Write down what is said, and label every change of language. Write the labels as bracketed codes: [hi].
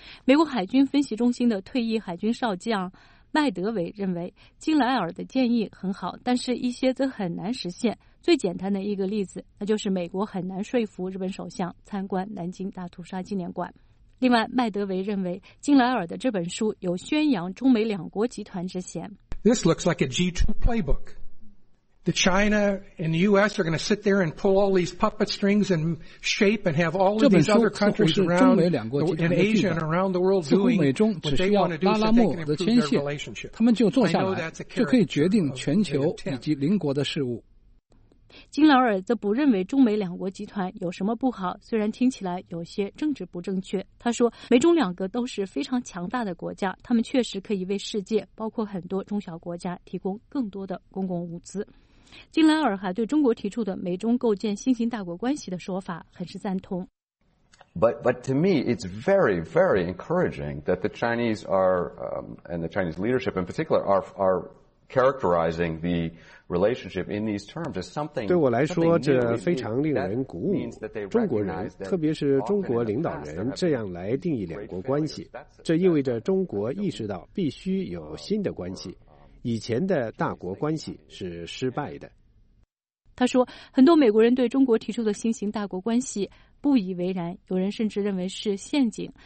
[zh] 美国海军分析中心的退役海军少将麦德韦认为，金莱尔的建议很好，但是一些则很难实现。最简单的一个例子，那就是美国很难说服日本首相参观南京大屠杀纪念馆。另外，麦德韦认为金莱尔的这本书有宣扬中美两国集团之嫌。 [en] This looks like a G2 playbook. The China and the U.S. are going to sit there and pull all these puppet strings and shape and have all these other countries around in Asia and around the world doing. [zh] 似乎美中只需要拉拉默的牵线，他们就坐下来，就可以决定全球以及邻国的事物。金劳尔则不认为中美两国集团有什么不好，虽然听起来有些政治不正确。他说，美中两个都是非常强大的国家，他们确实可以为世界，包括很多中小国家，提供更多的公共物资。金劳尔还对中国提出的美中构建新型大国关系的说法很是赞同。 [en] But to me, it's very, very encouraging that the Chinese are, and the Chinese leadership in particular, are characterizing the relationship in these terms as something. [zh] 对我来说，这非常令人鼓舞。中国人，特别是中国领导人，这样来定义两国关系，这意味着中国意识到必须有新的关系，以前的大国关系是失败的。他说，很多美国人对中国提出的新型大国关系不以为然，有人甚至认为是陷阱。